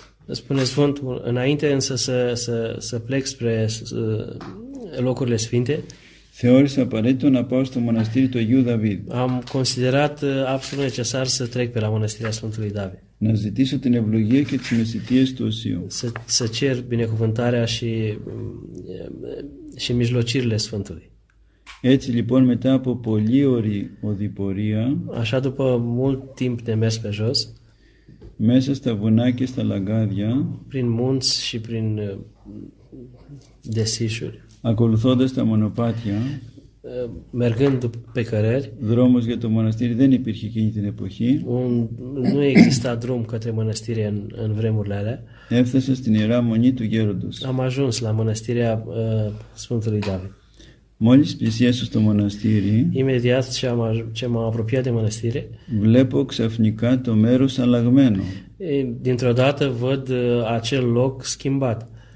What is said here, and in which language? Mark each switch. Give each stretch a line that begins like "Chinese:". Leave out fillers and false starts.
Romanian: spune Sfântul, înainte însă să plec spre locurile sfinte,
Greek: Θεώρησα απαραίτητο να πάω στο μοναστήρι του Αγίου Δαβίδ.
Romanian: Am considerat absolut necesar să trec pe la mănăstirea Sfântului David.
Greek: Να ζητήσω την ευλογία και τις μεσητείες του Οσίου.
Romanian: Să cer binecuvântarea și mijlocirile Sfântului.
Greek: Έτσι λοιπόν μετά από πολύ ωρή οδηπορία,
Romanian: așa după mult timp de mers pe jos,
Greek: μέσα στα βουνά και στα λαγκάδια,
Romanian: prin munți și prin desișuri,
Greek: ακολουθώντας τα μονοπάτια,
Romanian: mergând pe cărări,
Greek: δρόμος για το μοναστήρι δεν υπήρχε εκείνη την εποχή,
Romanian: nu exista drum către mănăstire în vremurile alea,
Greek: έφτασα στην Ιερά Μονή του Γέροντος.
Romanian: Am ajuns la mănăstirea Sfântului David.
Greek: Μόλις πλησιάσω στο μοναστήρι,
Romanian: imediat ce m-am apropiat de mănăstire,
Greek: βλέπω ξαφνικά το μέρος αλλαγμένο.
Romanian: Dintr-o dată văd acel loc schimbat.